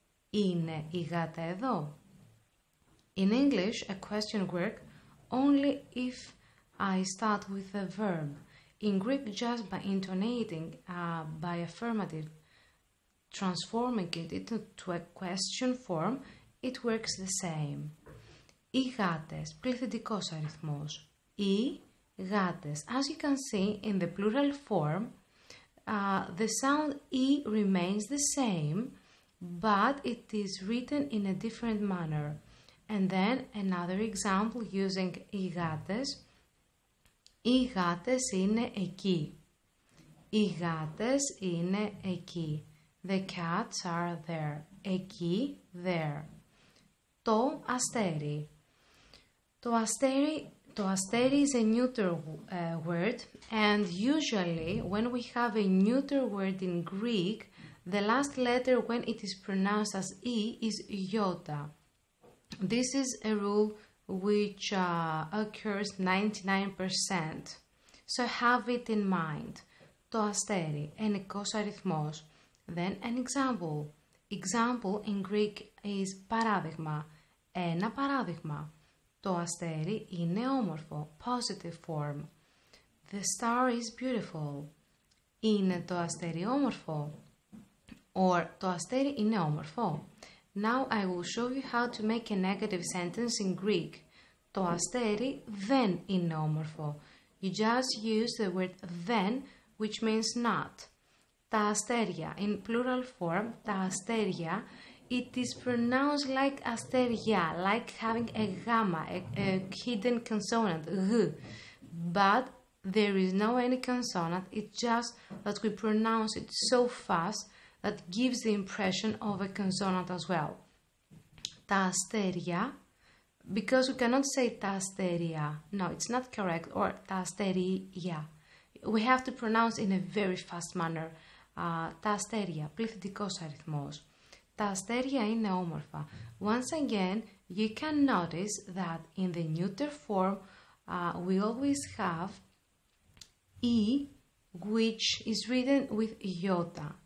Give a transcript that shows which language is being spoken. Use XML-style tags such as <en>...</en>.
<el>Είναι η γάτα εδώ.</el> <en>In English, a question work only if I start with a verb. In Greek, just by intonating, by affirmative, transforming it into a question form, it works the same.</en> <el>Οι γάτες, πληθυντικός αριθμός. Οι γάτες.</el> <en>As you can see, in the plural form, the sound E remains the same, but it is written in a different manner. And then another example using</en> <el>οι γάτες. Οι γάτες είναι εκεί. Οι γάτες είναι εκεί.</el> <en>The cats are there. Εκεί, there.</en> <el>Το αστέρι.</el> <en>So asteri is a neuter word, and usually when we have a neuter word in Greek, the last letter when it is pronounced as E is iota. This is a rule which occurs 99%. So have it in mind.</en> <el>Το αστέρι, ενικός αριθμός.</el> <en>Then an example. Example in Greek is παράδειγμα.</en> <el>Ένα παράδειγμα. Το αστέρι είναι όμορφο.</el> <en>Positive form. The star is beautiful.</en> <el>Είναι το αστέρι όμορφο. Or το αστέρι είναι όμορφο.</el> <en>Now I will show you how to make a negative sentence in Greek.</en> <el>Το αστέρι δεν είναι όμορφο.</el> <en>You just use the word δεν, which means not.</en> <el>Τα αστέρια.</el> <en>In plural form,</en> <el>τα αστέρια.</el> <en>It is pronounced like αστέρια, like having a γάμα, a hidden consonant, γ. But there is no any consonant, it's just that we pronounce it so fast that gives the impression of a consonant as well.</en> <el>Τα αστέρια,</el> <en>because we cannot say</en> <el>τα αστέρια,</el> <en>no, it's not correct, or τα αστέρια. We have to pronounce in a very fast manner.</en> <el>Τα αστέρια, πληθυντικός αριθμός. Τα αστέρια είναι όμορφα.</el> <en>Once again, you can notice that in the neuter form, we always have E, which is written with iota.</en>